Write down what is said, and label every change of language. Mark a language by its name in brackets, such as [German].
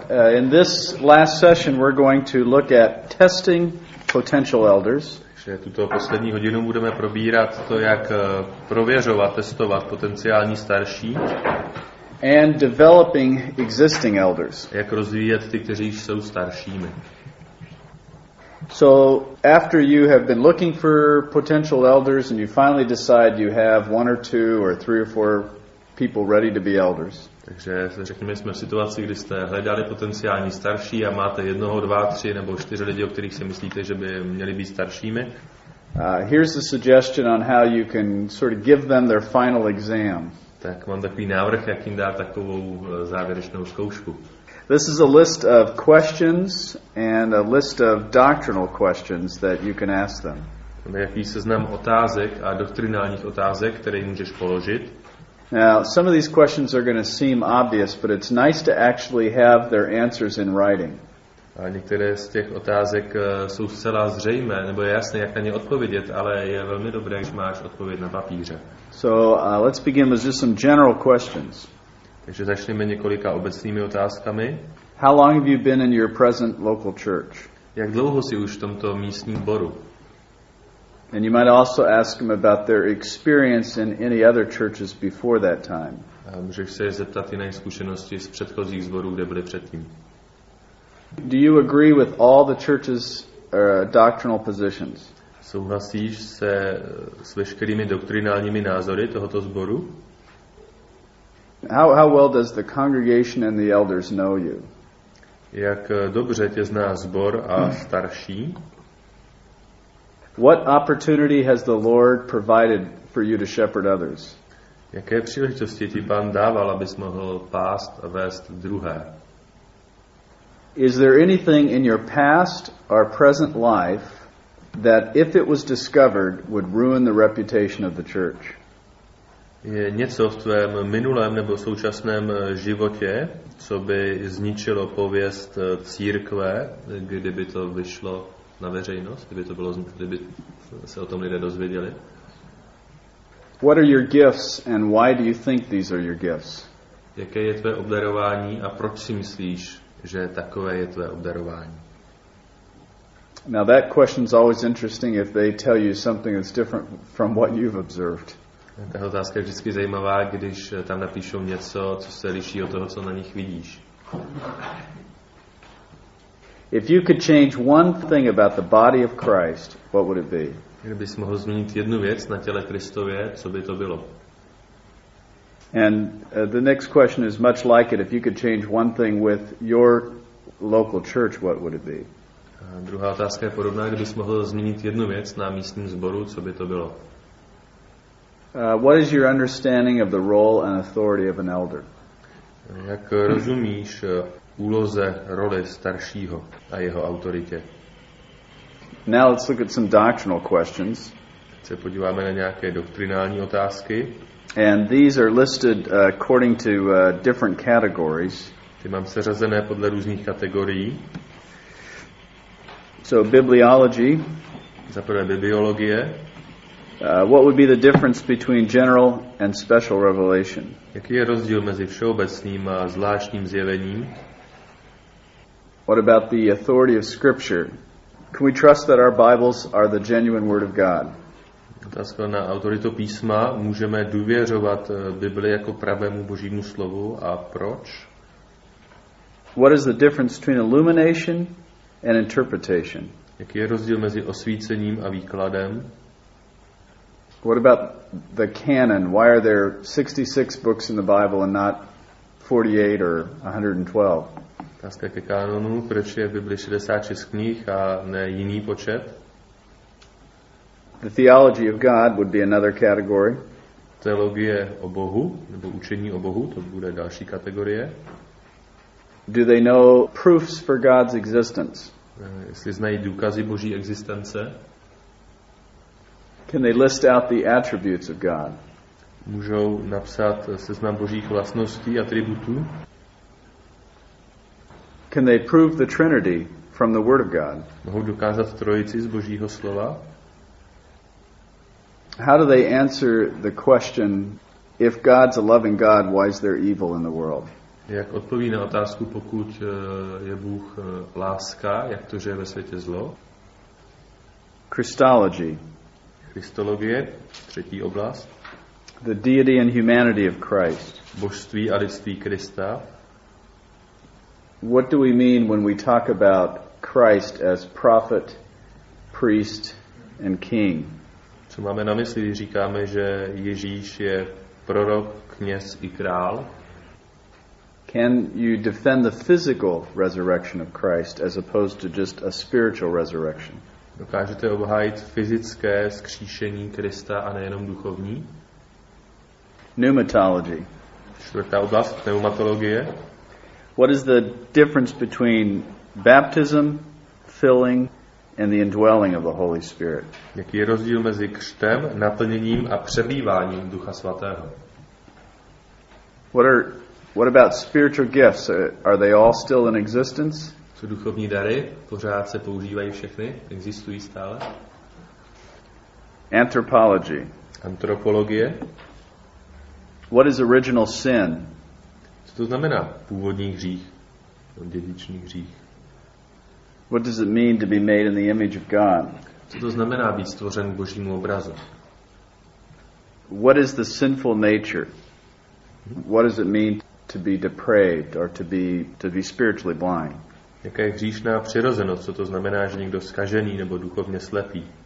[English] In this last session, we're going to look at testing potential elders. [Czech] Takže tuto poslední hodinu budeme probírat to, jak prověřovat, testovat potenciální starší. [English] And developing existing elders. [Czech] Jak rozvíjet ty, kteří již jsou staršími. [English] So after you have been looking for potential elders and you finally decide you have one or two or three or four people ready to be elders. [Czech] Takže řekněme, jsme v situaci, kdy jste hledali potenciální starší a máte jednoho, dva, tři nebo čtyři lidi, o kterých si myslíte, že by měli být staršími. [English] Here's the suggestion on how you can sort of give them their final exam. [Czech] Tak mám takový návrh, jak jim dát takovou závěrečnou zkoušku. [English] This is a list of questions and a list of doctrinal questions that you can ask them. [Czech] Jaký seznam otázek a doktrinálních otázek, které můžeš položit. [English] Now, some of these questions are going to seem obvious, but it's nice to actually have their answers in writing. [Czech] A některé z těch otázek jsou zcela zřejmé, nebo je jasné, jak na ně odpovědět, ale je velmi dobré, když máš odpověď na papíře. [English] So, let's begin with just some general questions. [Czech] Takže začneme několika obecnými otázkami. [English] How long have you been in your present local church? [Czech] Jak dlouho jsi už v tomto místním sboru? [English] And you might also ask them about their experience in any other churches before that time. [Czech] A můžeš se je zeptat i na zkušenosti z předchozích sborů, kde byli předtím. [English] Do you agree with all the church's doctrinal positions? [Czech] Souhlasíš se s veškerými doktrinálními názory tohoto sboru? [English] How well does the congregation and the elders know you? [Czech] Jak dobře tě zná sbor a starší? [English] What opportunity has the Lord provided for you to shepherd others? [Czech] Jaké příležitosti ti Pán dával, abys mohl pást a vést druhé? [English] Is there anything in your past or present life that if it was discovered would ruin the reputation of the church? [Czech] Je něco v tvém minulém nebo současném životě, co by zničilo pověst církve, kdyby to vyšlo na veřejnost, kdyby se o tom lidé dozvěděli? [English] What are your gifts and why do you think these are your gifts? [Czech] Jaké je tvé obdarování a proč si myslíš, že takové je tvé obdarování? [English] Now that question is always interesting if they tell you something that's different from what you've observed. [Czech] Ta otázka je vždycky zajímavá, když tam napíšou něco, co se liší od toho, co na nich vidíš. [English] If you could change one thing about the body of Christ, what would it be? [Czech] Kdybys mohl změnit jednu věc na těle Kristově, co by to bylo? [English] And the next question is much like it. If you could change one thing with your local church, what would it be? [Czech] A druhá otázka je podobná. Kdybys mohl změnit jednu věc na místním sboru, co by to bylo? [English] What is your understanding of the role and authority of an elder? [Czech] Jak rozumíš úloze, roli staršího a jeho autoritě? [English] Now let's look at some doctrinal questions. [Czech] Teď se podíváme na nějaké doktrinální otázky. [English] And these are listed according to different categories. [Czech] Ty mám seřazené podle různých kategorií. [English] So bibliology. [Czech] Za prvé bibliologie. [English] What would be the difference between general and special revelation? [Czech] Jaký je rozdíl mezi všeobecným a zvláštním zjevením? [English] What about the authority of Scripture? Can we trust that our Bibles are the genuine Word of God? [Czech] Otázka na autoritu písma. Můžeme důvěřovat Bibli jako pravému Božímu slovu a proč? [English] What is the difference between illumination and interpretation? [Czech] Jaký je rozdíl mezi osvícením a výkladem? [English] What about the canon? Why are there 66 books in the Bible and not 48 or 112? [Czech] Otázka ke kanonu, proč je v Biblii 66 knih a ne jiný počet? [English] The theology of God would be another category. [Czech] Teologie o Bohu, nebo učení o Bohu, to bude další kategorie. [English] Do they know proofs for God's existence? [Czech] Jestli znají důkazy Boží existence? [English] Can they list out the attributes of God? [Czech] Můžou napsat seznam Božích vlastností, atributů? [English] Can they prove the Trinity from the Word of God? [Czech] Mohou dokázat trojici z Božího slova? [English] How do they answer the question, if God's a loving God, why is there evil in the world? [Czech] Jak odpoví na otázku, pokud je Bůh láska, jak to, že je ve světě zlo? [English] Christology. [Czech] Christologie, třetí oblast. [English] The deity and humanity of Christ. [Czech] Božství a lidství Krista. [English] What do we mean when we talk about Christ as prophet, priest and king? [Czech] Co máme na mysli, když říkáme, že Ježíš je prorok, kněz i král? [English] Can you defend the physical resurrection of Christ as opposed to just a spiritual resurrection? [Czech] Dokážete obhájit fyzické vzkříšení Krista a nejenom duchovní? [English] Pneumatology. [Czech] Čtvrtá oblast, pneumatologie. [English] What is the difference between baptism, filling and the indwelling of the Holy Spirit? [Czech] Jaký je rozdíl mezi křtem, naplněním a přebýváním Ducha svatého? [English] What about spiritual gifts? Are they all still in existence? [Czech] Co duchovní dary? Pořád se používají všechny? Existují stále? [English] Anthropology. [Czech] Antropologie. [English] What is original sin? [Czech] Co to znamená původní hřích? Dědičný hřích. [English] What does it mean to be made in the image of God? [Czech] Co to znamená být stvořen k Božímu obrazu? [English] What is the sinful nature? What does it mean to be depraved or to be spiritually blind? [Czech] Jaká je hříšná přirozenost? Co to znamená, že někdo zkažený nebo duchovně slepý?